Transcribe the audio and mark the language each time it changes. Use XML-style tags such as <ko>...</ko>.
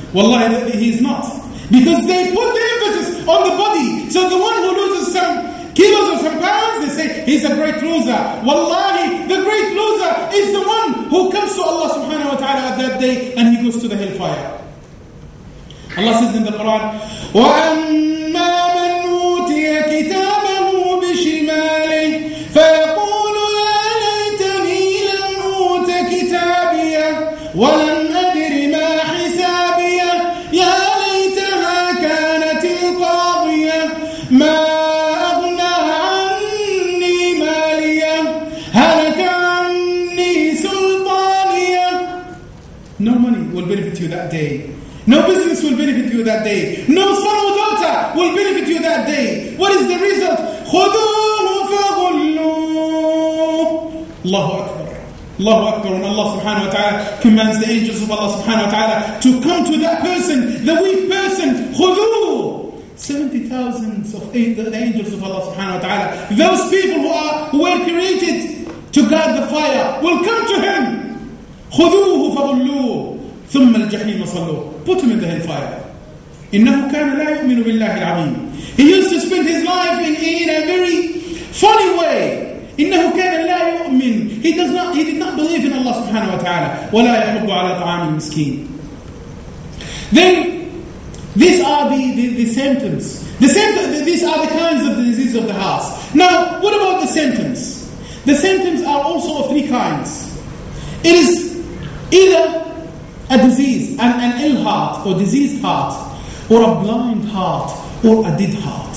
<en>Wallahi, he is not. Because they put the emphasis on the body. So the one who loses some kilos or some pounds, they say, he's a great loser. Wallahi, the great loser is the one who comes to Allah subhanahu wa ta'ala at that day and he goes to the hellfire.</en> <ar>Allah says in the Quran, وَأَمَّا مَنْ أُوتِيَ كِتَابَهُ بِشِمَالِهِ فَيَقُولُ يَا لَيْتَنِي لَمْ أُوتَ كِتَابِيَهْ وَلَمْ أَدْرِ مَا حِسَابِيَهْ يَا لَيْتَهَا كَانَتِ الْقَاضِيَةَ مَا أَغْنَى عَنِّي مَالِيَهْ هَلَكَ عَنِّي سُلْطَانِيَهْ</ar> <en>No money will benefit you that day. No business will benefit you that day. No son or daughter will benefit you that day. What is the result?</en> <ar>خُذُوهُ فَغُلُّوهُ الله أكبر. الله أكبر.</ar> <en>And Allah subhanahu wa ta'ala commands the angels of Allah subhanahu wa ta'ala to come to that person, the weak person, خُذُوهُ 70,000 of the angels of Allah subhanahu wa ta'ala, those people who were created to guard the fire, will come to him.</en> <ar>خُذُوهُ فَغُلُّوهُ ثم الجحيم صلوه.</ar> <en>Put him in the hellfire.</en> <ar>إنه كان لا يؤمن بالله العظيم.</ar> <en>He used to spend his life in a very funny way.</en> <ar>إنه كان لا يؤمن.</ar> <en>He did not believe in Allah سبحانه وتعالى.</en> <ar>ولا يحب على طعام المسكين.</ar> <en>Then these are the symptoms. These are the kinds of the diseases of the heart. Now what about the symptoms? The symptoms are also of three kinds. It is either a disease, an ill heart, or diseased heart, or a blind heart, or a dead heart.</en>